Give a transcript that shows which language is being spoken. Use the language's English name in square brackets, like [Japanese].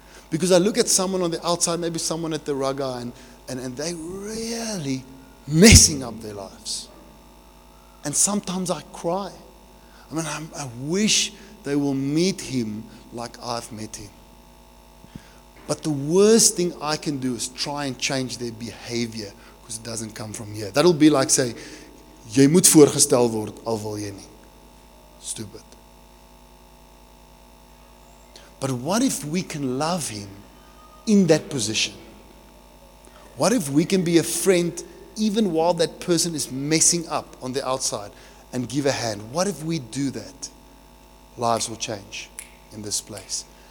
[English] Because I look at someone on the outside, maybe someone at the Raga, and they really messing up their lives. And sometimes I cry. I mean, I wish they will meet him like I've met him. But the worst thing I can do is try and change their behavior because it doesn't come from here. That'll be like say, [Afrikaans] jy moet voorgestel word, al wil jy nie. [English] Stupid. But what if we can love him in that position? What if we can be a friend even while that person is messing up on the outside and give a hand? What if we do that? Lives will change in this place.